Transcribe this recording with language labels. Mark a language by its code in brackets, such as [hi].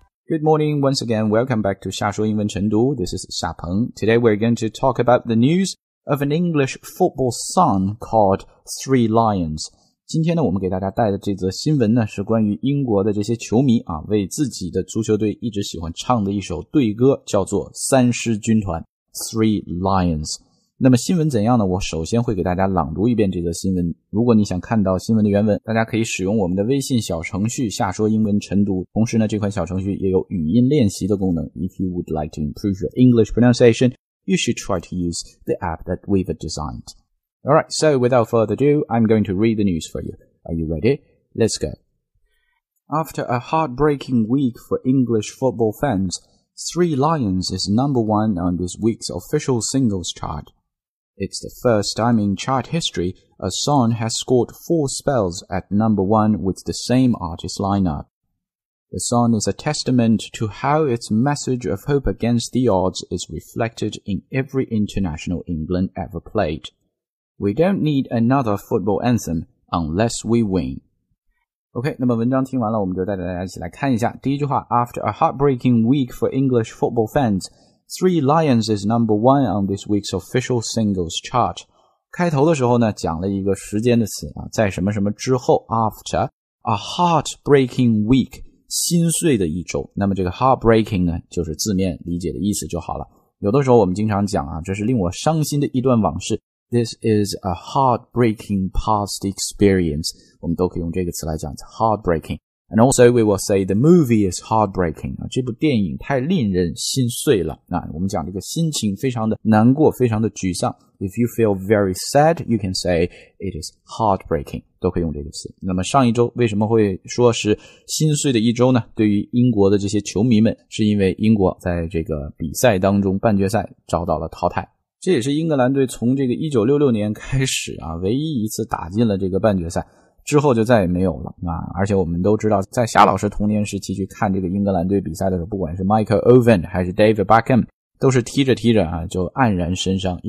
[en] Good morning, once again, welcome back to 夏说英文晨读. This is 夏鹏. Today we're going to talk about the news of an English football song called Three Lions. [zh] 今天呢，我们给大家带的这则新闻呢，是关于英国的这些球迷啊，为自己的足球队一直喜欢唱的一首队歌，叫做三狮军团 Three Lions. 那么新闻怎样呢？我首先会给大家朗读一遍这则新闻。如果你想看到新闻的原文，大家可以使用我们的微信小程序夏说英文晨读，同时呢，这款小程序也有语音练习的功能。 [en] If you would like to improve your English pronunciation, you should try to use the app that we've designed. Alright, so without further ado, I'm going to read the news for you. Are you ready? Let's go. After a heartbreaking week for English football fans, Three Lions is number one on this week's official singles chart. It's the first time in chart history a song has scored four spells at number one with the same artist lineup. The song is a testament to how its message of hope against the odds is reflected in every international England ever played. We don't need another football anthem unless we win. [zh] OK, 那么文章听完了，我们就带着大家一起来看一下。第一句话， [en] After a heartbreaking week for English football fans, Three Lions is number one on this week's official singles chart. [zh] 开头的时候呢，讲了一个时间的词啊，在什么什么之后 ， [en] after a heartbreaking week， [zh] 心碎的一周。那么这个 heartbreaking 呢，就是字面理解的意思就好了。有的时候我们经常讲啊，这是令我伤心的一段往事 ， [en] this is a heartbreaking past experience， [zh] 我们都可以用这个词来讲 ， [en] it's heartbreaking。 And also we will say the movie is heartbreaking. [zh] 这部电影太令人心碎了。那我们讲这个心情非常的难过，非常的沮丧。 [en] If you feel very sad, you can say it is heartbreaking. [zh] 都可以用这个词。那么上一周为什么会说是心碎的一周呢？对于英国的这些球迷们，是因为英国在这个比赛当中半决赛遭到了淘汰。这也是英格兰队从这个1966年开始啊，唯一一次打进了这个半决赛。之后就再也没有了啊！而且我们都知道，在夏老师童年时期去看这个英格兰队比赛的时候，不管是 Michael Owen 还是 David Beckham， 都是踢着踢着啊就黯然神伤。